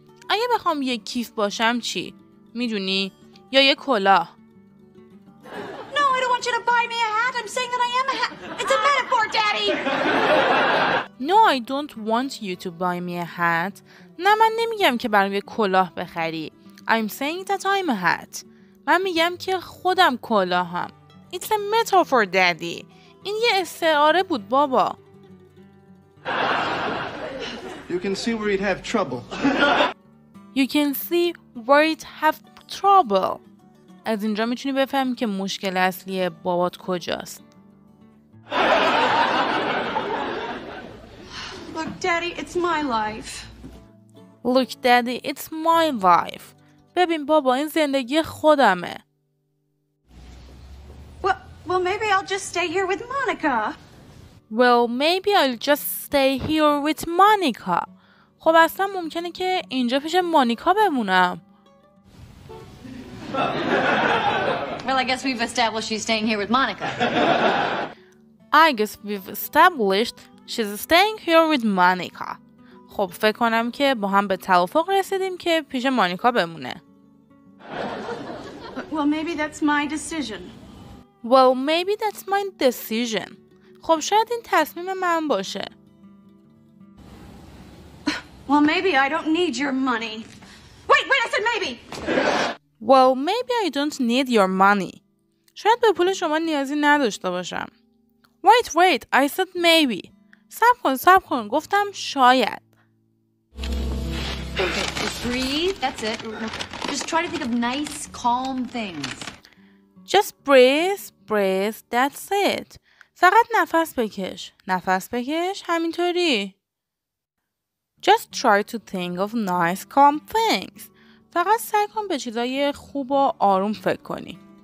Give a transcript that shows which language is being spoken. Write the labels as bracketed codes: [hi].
[fa] اگه بخوام یه کیف باشم چی؟ میدونی؟ یا یه کلاه؟ [en] No, I don't want you to buy me a hat. I'm saying that I am a hat. It's a metaphor, Daddy. No, I don't want you to buy me a hat. [fa] نه من نمیگم که برام یه کلاه بخری. [en] I'm saying that I'm a hat. [fa] من میگم که خودم کلاهم. [en] It's a metaphor, Daddy. [fa] این یه استعاره بود بابا. [en] You can see where he'd have trouble. You can see where he'd have trouble. [fa] از اینجا میتونی بفهمی که مشکل اصلی بابات کجاست. [en] Look, Daddy, it's my life. Look, Daddy, it's my life. [fa] ببین بابا این زندگی خودمه. [en] Well, maybe I'll just stay here with Monica. Well, maybe I'll just stay here with Monica. [fa] خب اصلا ممکنه که اینجا پیش مونیکا بمونم. [en] Well, I guess we've established she's staying here with Monica. I guess we've established she's staying here with Monica. [fa] خب فکر کنم که با هم به توافق رسیدیم که پیش مونیکا بمونه. [en] Well, maybe that's my decision. Well, maybe that's my decision. [fa] خب شاید این تصمیم من باشه. [en] Well, maybe I don't need your money. Wait, I said maybe. Well, maybe I don't need your money. [fa] شاید به پول شما نیازی نداشته باشم. [en] Wait, I said maybe. [fa] صبر کن. گفتم شاید. [en] Okay, just breathe. That's it. Just try to think of nice, calm things. Just breathe. That's it. [fa] فقط نفس بکش همینطوری. [en] Just try to think of nice calm things. [fa] فقط سعی کن به چیزای خوب و آروم فکر کنی.